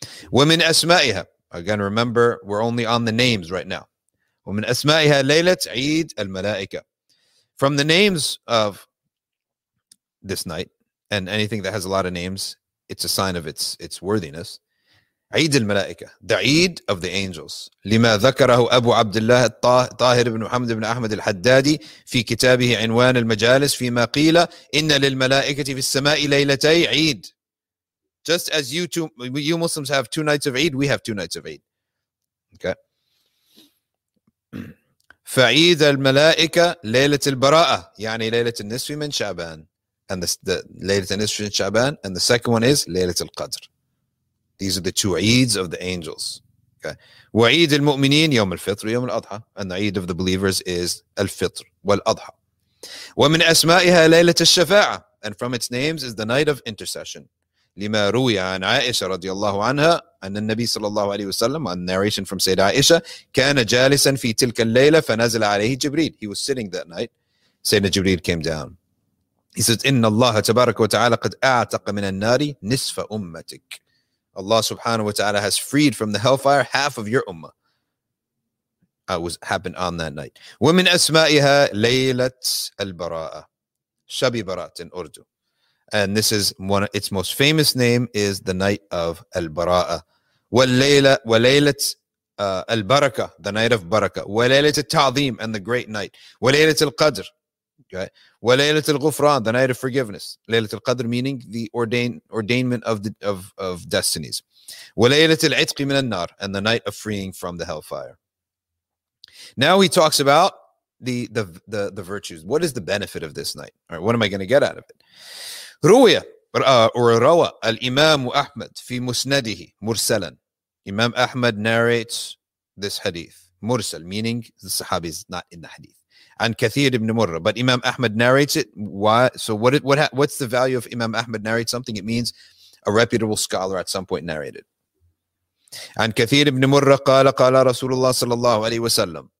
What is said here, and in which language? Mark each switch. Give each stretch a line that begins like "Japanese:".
Arabic: وَمِنْ أَسْمَائِهَا.
English: Again, remember, we're only on the names right now.
Arabic: وَمِنْ أَسْمَائِهَا لَيْلَةِ عِيد الْمَلَائِكَ.
English: From the names of this night, and anything that has a lot of names, it's a sign of its worthiness.
Arabic: عيد الملائكة,
English: the عيد of the angels.
Arabic: لما ذكره أبو عبد الله الطاهر بن محمد بن أحمد الحدادي في كتابه عنوان المجالس فيما قيل إن للملائكة في السماء ليلتي عيد.
English: Just as you two, you Muslims have two nights of عيد, we have two nights of عيد. Okay.
Arabic: فعيد الملائكة ليلة البراءة, يعني ليلة النصف من شعبان.
English: And the
Arabic: ليلة النصف من شعبان.
English: And the second one is ليلة القدر. These are the two Eids of the angels. Okay.
Arabic: وعيد المؤمنين يوم الفطر يوم الأضحى.
English: And the Eid of the believers is الفطر والأضحى.
Arabic: ومن أسمائها ليلة الشفاعة.
English: And from its names is the night of intercession.
Arabic: لما روي عن عائشة رضي الله عنها أن النبي صلى الله عليه وسلم,
English: on narration from
Arabic: سيدة عائشة, كان جالسا في تلك الليلة فنزل عليه جبريل.
English: He was sitting that night. سيدنا جبريل came down. He says,
Arabic: إن الله تبارك وتعالى قد أعتق من النار نصف أمتك.
English: Allah subhanahu wa ta'ala has freed from the hellfire half of your ummah. That was happened on that night.
Arabic: وَمِنْ أَسْمَائِهَا لَيْلَةْ الْبَرَاءَ.
Urdu: شَبِي بَرَاءَةٍ
English: in Urdu. And this is one of its most famous name is the night of al-bara'a.
Arabic: وَلَيْلَةْ الْبَرَكَةَ,
English: the night of baraka.
Arabic: وَلَيْلَةْ التَّعْظِيمِ,
English: and the great night.
Arabic: وَلَيْلَةْ الْقَدْرِ.
English: Okay.
Arabic: وليلة الغفران,
English: the night of forgiveness. ليلة القدر meaning the ordainment of destinies.
Arabic: وليلة العتق من النار,
English: and the night of freeing from the hellfire. Now he talks about the virtues. What is the benefit of this night? All right, what am I going to get out of it?
Arabic: رواية or روى الإمام أحمد في مسنده مرسلا.
English: Imam Ahmad narrates this hadith. مرسل meaning the Sahabi is not in the hadith. And Kathir ibn Murrah, but Imam Ahmad narrates it. Why? So what's the value of Imam Ahmad narrates something? It means a reputable scholar at some point narrated. And Kathir ibn Murrah
Arabic: qala Rasulullah sallallahu alayhi wa sallam.